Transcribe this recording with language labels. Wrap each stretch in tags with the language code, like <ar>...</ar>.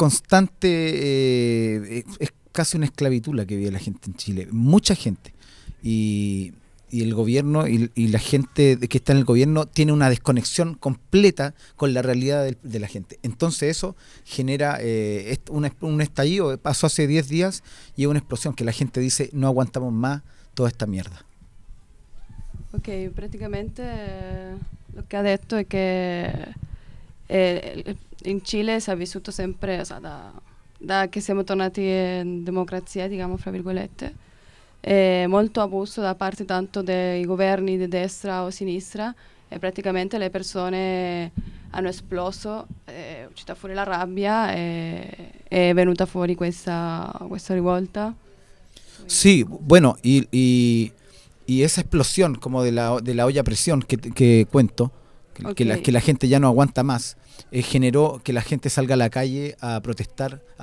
<es>Es casi una esclavitud la que vive la gente en Chile, mucha gente, y el gobierno y la gente que está en el gobierno tiene una desconexión completa con la realidad de la gente. Entonces eso genera un estallido. Pasó hace 10 días y es una explosión que la gente dice: no aguantamos más toda esta mierda. Ok, prácticamente lo que ha dicho es que en</es> <it>Chile se ha vissuto siempre, o sea, da che siamo tornati in democrazia, diciamo, fra virgolette, molto abuso da parte tanto dei governi di destra o sinistra, e praticamente le persone hanno esploso, è uscita fuori la rabbia e è venuta fuori questa rivolta.</it> <es>Sì, bueno, y esa explosión como de la olla a presión que cuento, okay. que la gente ya no aguanta más. Generó que la gente salga a la calle a protestar.</es>